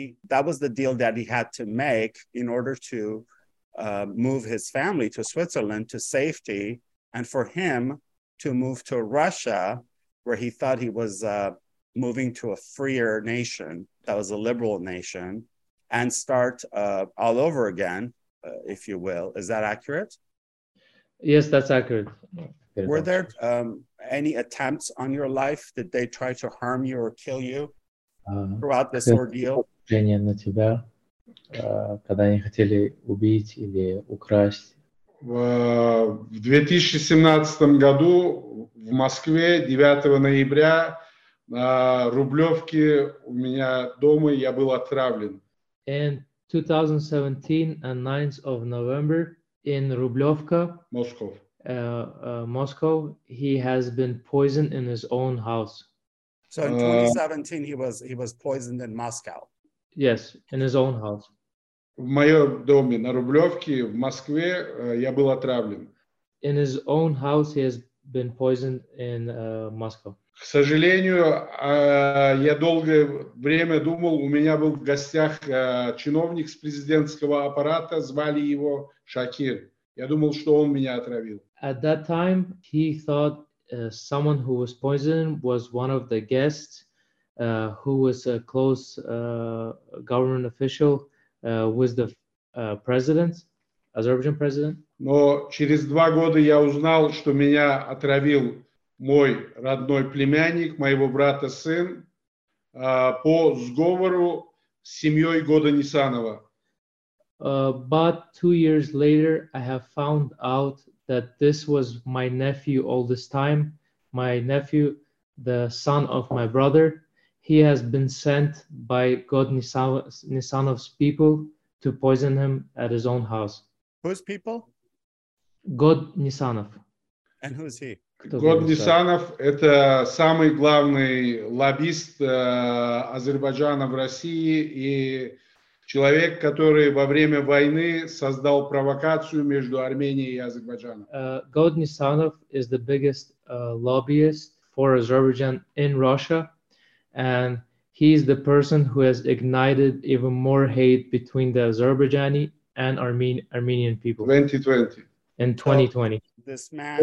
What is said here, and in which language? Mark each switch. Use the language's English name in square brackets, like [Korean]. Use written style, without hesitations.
[English] That was the deal that he had to make in order to move his family to Switzerland to safety, and for him to move to Russia, where he thought he was moving to a freer nation, that was a liberal nation, and start all over again, if you will. Is that accurate? Yes, that's accurate. Were there any attempts on your life? Did they try to harm you or kill you throughout this ordeal? [Russian] Женя на тебя, когда они хотели убить или украсть? В 2017 году в Москве 9 ноября на Рублевке у меня дома я был отравлен. [English] In 2017 and 9th of November in Рублевка, Moscow. Moscow, he has been poisoned in his own house. So in 2017 he was poisoned in Moscow. Yes, in his own house. [Russian] В моем доме на Рублевке в Москве я был отравлен. [English] In his own house he has been poisoned in Moscow. [Russian] К сожалению, я долгое время думал, у меня был в гостях чиновник с президентского аппарата, звали его Шакир. Я думал, что он меня отравил. [English] At that time, he thought someone who was poisoned was one of the guests who was a close government official with the president, Azerbaijan president. [Russian] Но через два года я узнал, что меня отравил мой родной племянник, моего брата сын, по сговору с семьей Года Нисанова. [English] But 2 years later, I have found out that this was my nephew all this time. My nephew, the son of my brother, he has been sent by God Nisanov's people to poison him at his own house. Whose people? God Nisanov. And who is he? [Russian] God Nisanov – это самый главный лоббист Азербайджана в России и человек, который во время войны создал провокацию между Арменией и Азербайджаном. [English] God Nisanov is the biggest lobbyist for Azerbaijan in Russia, and he is the person who has ignited even more hate between the Azerbaijani and Armenian people. 2020. In 2020. So this man.